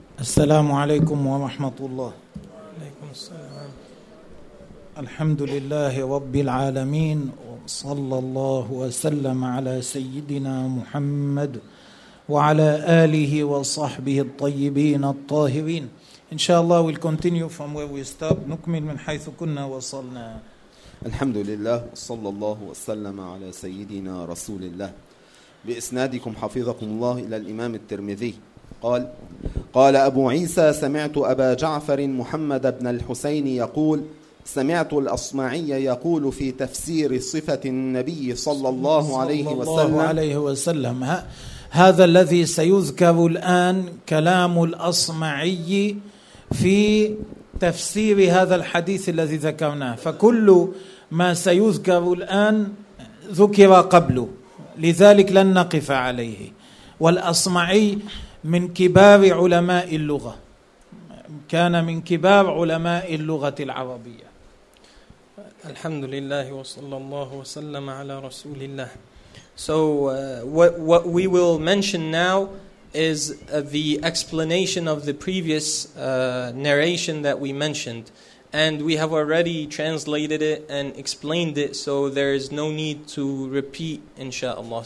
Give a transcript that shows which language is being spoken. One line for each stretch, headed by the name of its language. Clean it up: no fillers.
Arabic: السلام عليكم ورحمة الله. عليكم السلام. الحمد لله رب العالمين، وصلى الله وسلم على سيدنا محمد وعلى آله وصحبه الطيبين الطاهرين. إن شاء الله
English: we'll continue from where we stopped.
Arabic: نكمل من حيث كنا وصلنا. الحمد لله وصلى الله وسلم على سيدنا رسول الله بإسنادكم حفظكم الله إلى الإمام الترمذي قال قال أبو عيسى سمعت أبا جعفر محمد بن الحسين يقول سمعت الأصمعي يقول في تفسير صفة النبي صلى الله عليه وسلم, هذا الذي سيذكر الآن كلام الأصمعي في تفسير هذا الحديث الذي ذكرناه، فكل ما سيذكر الآن ذكر قبله لذلك لن نقف عليه. والأصمعي من كبار علماء اللغة، كان من كبار علماء اللغة العربية. الحمد لله وصلى الله وسلم على رسول الله.
English: So what we will mention now is the explanation of the previous narration that we mentioned. And we have already translated it and explained it, so there is no need to repeat, inshallah.